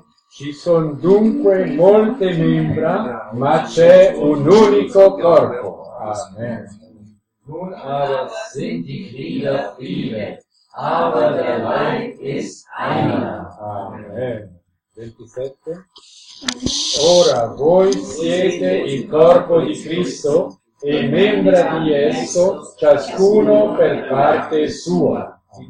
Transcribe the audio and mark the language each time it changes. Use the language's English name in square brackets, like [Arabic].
[Italian] Ci sono dunque molte membra, ma c'è un unico corpo. Amen. [German] Nun aber sind die Glieder viele, aber der Leib ist einer. Amen. 27. [Italian] Ora voi siete il corpo di Cristo e membra di esso, ciascuno per parte sua.